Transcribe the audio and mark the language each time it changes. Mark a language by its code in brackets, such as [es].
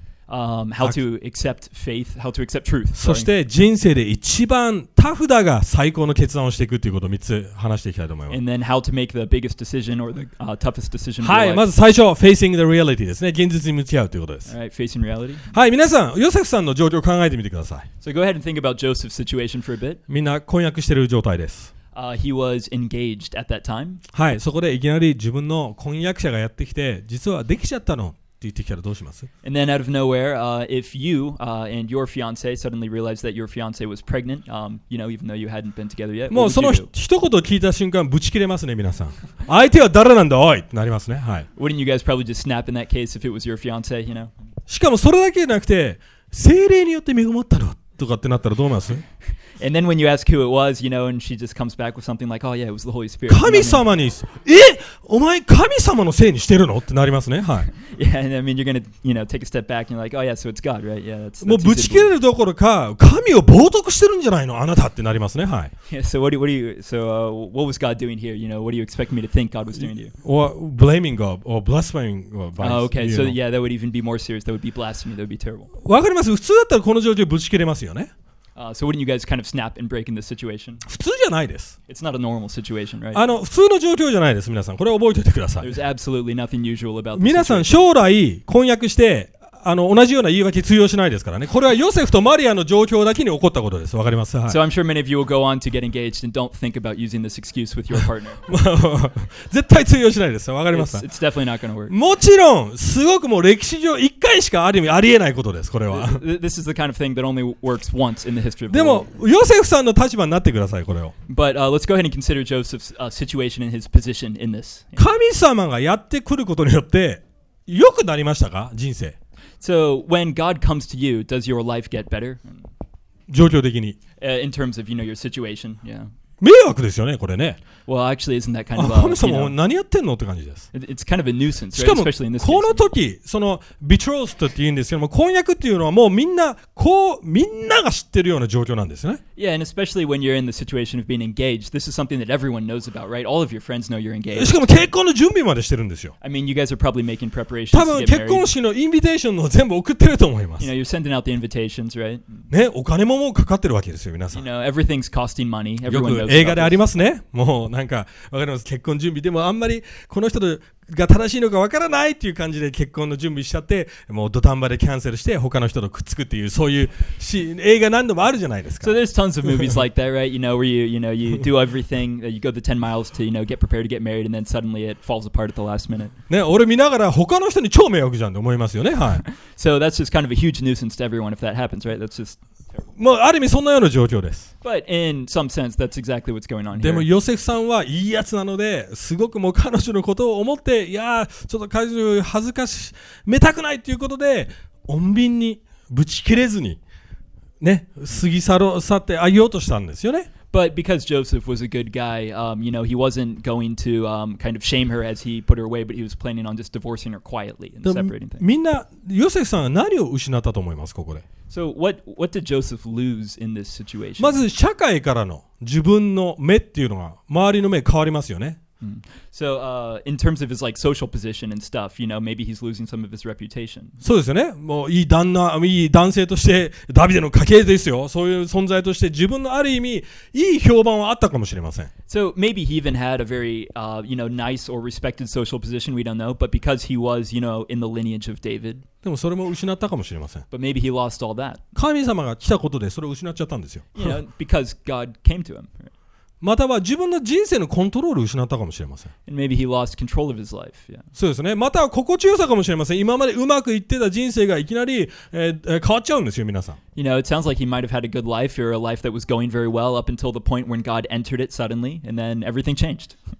[en] How to accept faith, how to accept truth. [ja] そして人生で一番タフだが最高の決断をしていくということを3つ話していきたいと思います。 [en] And then how to make the biggest decision or the toughest decision. [ja] はい、まず最初、 [en] facing the reality [ja] ですね。現実に向き合うということです。 [en] Alright, facing reality. [ja] はい、皆さん、ヨセフさんの状況を考えてみてください。 [en] So go ahead and think about Joseph's situation for a bit. [ja] みんな婚約している状態です。 [en] He was engaged at that time. [ja] はい、そこでいきなり自分の婚約者がやってきて、実はできちゃったの。って言ってきたらどうします? [en] And then out of nowhere, if you and your fiance suddenly realized that your fiance was pregnant, you know, even though you hadn't been together yet, [ja] もうその一言聞いた瞬間ぶち切れますね、皆さん。相手は誰なんだ、おい!なりますね、はい。 [en] Wouldn't you guys probably just snap in that case if it was your fiance, you know? [ja] しかもそれだけじゃなくて、聖霊によって恵まれたのとかってなったらどうします? [en] And then when you ask who it was, you know, and she just comes back with something like, oh yeah, it was the Holy Spirit. [ja] 神様に、え? お前神様のせいにしてるの? ってなりますね、はい。 [en] Yeah, and I mean, you're gonna, you know, take a step back and you're like, oh yeah, so it's God, right? Yeah, that's [ja] もうぶち切れるどころか、神を冒涜してるんじゃないの? あなたってなりますね、はい。 [en] Yeah, so what was God doing here? You know, what do you expect me to think God was doing to you? Or blaming God, or blaspheming God. Oh, okay, so yeah, that would even be more serious. That would be blasphemy, that would be terrible. [ja] わかります?普通だったらこの状況ぶち切れますよね。 [en] So wouldn't you guys kind of snap and break in this situation? [ja] 普通じゃないです。 [en] It's not a normal situation, right? [ja] あの、普通の状況じゃないです、皆さん。これを覚えておいてください。 [en] There's absolutely nothing usual about this. [ja] 皆さん、将来婚約して、あの、同じような言い訳通用しないですからね。これはヨセフとマリアの状況だけに起こったことです。わかります?はい。 [en] So I'm sure many of you will go on to get engaged and don't think about using this excuse with your partner. [ja] 絶対通用しないです。わかりますか? [en] It's definitely not gonna work. [ja] もちろん、すごくもう歴史上一回しかある意味ありえないことです。これは。 [en] This is the kind of thing that only works once in the history of the world. [ja] でも、ヨセフさんの立場になってください、これを。 [en] But let's go ahead and consider Joseph's situation and his position in this. [ja] 神様がやってくることによって、良くなりましたか? 人生。 [en] So when God comes to you, does your life get better? [ja] 状況的に。 [en] In terms of, you know, your situation, yeah. [ja] 迷惑ですよね、これね。 [en] Well, actually, isn't that kind of [ja] a, 神様、何やってんのって感じです。 [en] It's kind of a nuisance, right? Especially in this [ja] しかも、この時、その、betrothed って言うんですけども、婚約っていうのはもうみんな、こう、みんなが知ってるような状況なんですね。 [en] Yeah, and especially when you're in the situation of being engaged, this is something that everyone knows about, right? All of your friends know you're engaged. [ja] しかも、結婚の準備までしてるんですよ。 [en] I mean, you guys are probably making preparations to get married. [ja] 多分、結婚式のインビテーションの全部送ってると思います。 [en] You know, you're sending out the invitations, right? [ja] ね、お金ももうかかってるわけですよ、皆さん。 [en] You know, everything's costing money. Everyone knows [ja] 映画でありますね。もうなんか、わかります。結婚準備。でもあんまりこの人が正しいのかわからないっていう感じで結婚の準備しちゃって、もう土壇場でキャンセルして他の人とくっつくっていう、そういうシーン、映画何度もあるじゃないですか。 [en] So there's tons of movies like that, right? You know, where you, you know, you do everything, you go the 10 miles to, you know, get prepared to get married, and then suddenly it falls apart at the last minute. [ja] ね、俺見ながら他の人に超迷惑じゃんって思いますよね。はい。 [en] So that's just kind of a huge nuisance to everyone if that happens, right? That's just... [ja] もうある意味そんなような状況です。 [en] But in some sense, that's exactly what's going on here. [ja] でもヨセフさんはいいやつなので、すごくもう彼女のことを思って、いやちょっと彼女恥ずかしめたくないということで、穏便にぶち切れずにね、過ぎ去ろう去ってあげようとしたんですよね。 [en] But because Joseph was a good guy, you know, he wasn't going to kind of shame her as he put her away, but he was planning on just divorcing her quietly and separating things. [ja] みんな、ヨセフさんは何を失ったと思います、ここで。 [en] So what did Joseph lose in this situation? [ja] まず社会からの自分の目っていうのが周りの目変わりますよね。 [en] So in terms of his like social position and stuff, you know, maybe he's losing some of his reputation. [ja] そうですよね。もういい旦那、いい男性としてダビデの家系ですよ。そういう存在として自分のある意味いい評判はあったかもしれません。 [en] So maybe he even had a very you know, nice or respected social position, we don't know, but because he was, you know, in the lineage of David. [ja] でもそれも失ったかもしれません。 [en] But maybe he lost all that. 神様が来たことでそれを失っちゃったんですよ。 You know, because God came to him. [ja] または自分の人生のコントロールを失ったかもしれません。 [en] And maybe he lost control of his life. Yeah. [ja] そうですね。または心地よさかもしれません。今までうまくいってた人生がいきなり、変わっちゃうんですよ、皆さん。 [en] You know, it sounds like he might have had a good life or a life that was going very well up until the point when God entered it suddenly and then everything changed.